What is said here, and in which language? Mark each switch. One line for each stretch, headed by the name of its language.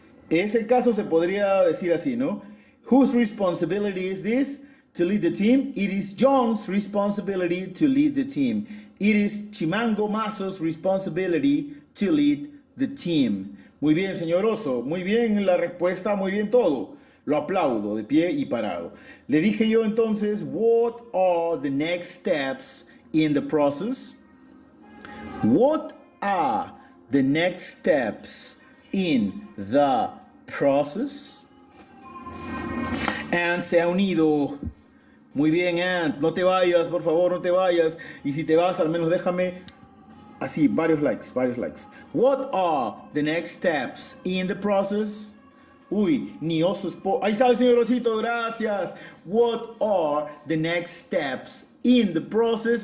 Spanish: En ese caso se podría decir así, ¿no?
English: Whose responsibility is this to lead the team? It is John's responsibility to lead the team. It is Chimango Mazos' responsibility to lead the team.
Spanish: Muy bien, señor Oso. Muy bien la respuesta. Muy bien todo. Lo aplaudo de pie y parado. Le dije yo entonces,
English: what are the next steps in the process? What are The next steps in the process.
Spanish: Ant se ha unido. Muy bien, Ant. No te vayas, por favor, no te vayas. Y si te vas, al menos déjame así, varios likes, varios likes.
English: What are the next steps in the process?
Spanish: Uy, ni osos. Ahí está el señor Osito, gracias.
English: What are the next steps in the process?